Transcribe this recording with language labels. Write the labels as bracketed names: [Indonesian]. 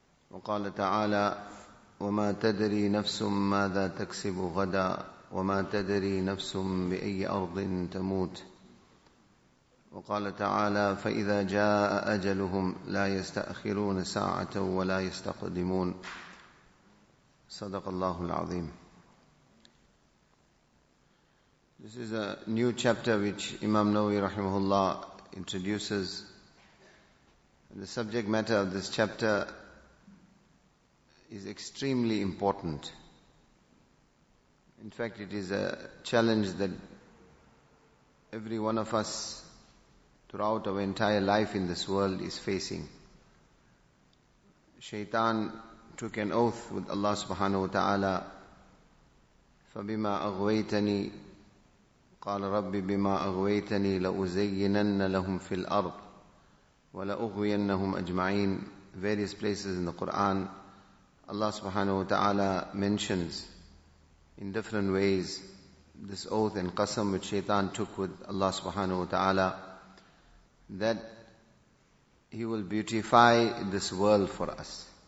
[Arabic] وقال تعالى وما تدري نفس ماذا تكسب غدا وما تدري نفس بأي أرض تموت وقال تعالى فإذا جاء أجلهم لا يستأخرون ساعة ولا يستقدمون صدق الله العظيم. [English] This is a new chapter which Imam Nawawi rahimahullah introduces. The subject matter of this chapter is extremely important. In fact, it is a challenge that every one of us throughout our entire life in this world is facing. Shaitan took an oath with Allah subhanahu wa ta'ala, [Arabic] فَبِمَا أَغْوَيْتَنِي قال ربي بما أغويتني لأزينن لهم في الأرض ولأغوينهم أجمعين. [English] Various places in the Quran, Allah subhanahu wa ta'ala mentions in different ways this oath and qasam which shaitan took with Allah subhanahu wa ta'ala, that he will beautify this world for us.